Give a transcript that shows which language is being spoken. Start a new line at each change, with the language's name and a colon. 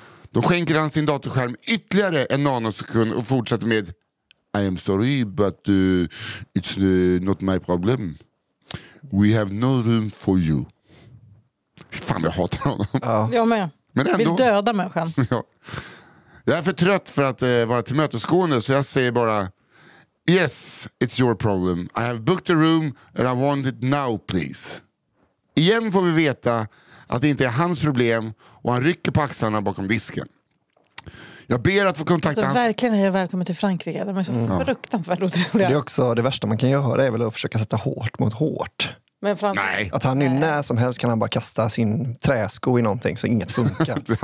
Swedish: Då skänker han sin datorskärm ytterligare en nanosekund och fortsätter med:
English: "I am sorry, but it's not my problem. We have no room for you."
Swedish: Fan, jag hatar honom. Ja. Jag med. Men ändå. Vill döda människan. Ja. Jag är för trött för att vara till mötesgående, så jag säger bara:
English: "Yes, it's your problem. I have booked a room and I want it now, please."
Swedish: Igen får vi veta att det inte är hans problem och han rycker på axlarna bakom disken. Jag ber att få kontakta hans... Verkligen är jag välkommen till Frankrike. De är så fruktansvärt otroliga. Det är också det värsta man kan göra, är väl att försöka sätta hårt mot hårt. Men Frank... Nej. Att han är när som helst kan han bara kasta sin träsko i någonting så inget funkar.